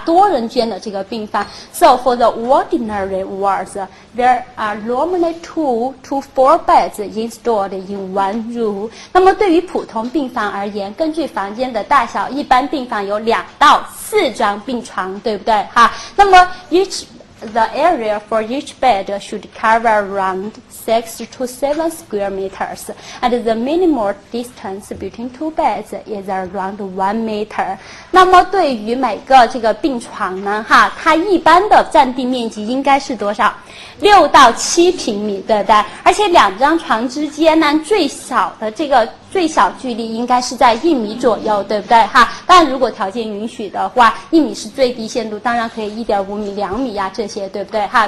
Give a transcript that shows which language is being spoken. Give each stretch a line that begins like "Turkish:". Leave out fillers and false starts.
English: 多人间的这个病房， so for the ordinary wards there are normally 2 to 4 beds installed in one。
Chinese: 那么对于普通病房而言，根据房间的大小，一般病房有2到4张病床，对不对哈？
English: 那么 the area for each bed should cover around 6 to 7 square meters and the minimal distance between two beds is around 1 meter。
Chinese: 那么对于每个这个病床呢哈，它一般的占地面积应该是多少？ 6到7平米，对不对？而且两张床之间呢，最小距离应该是在1米左右，对不对哈？但如果条件允许的话，1米是最低限度，当然可以1.5米、2米呀、啊、这些，对不对哈？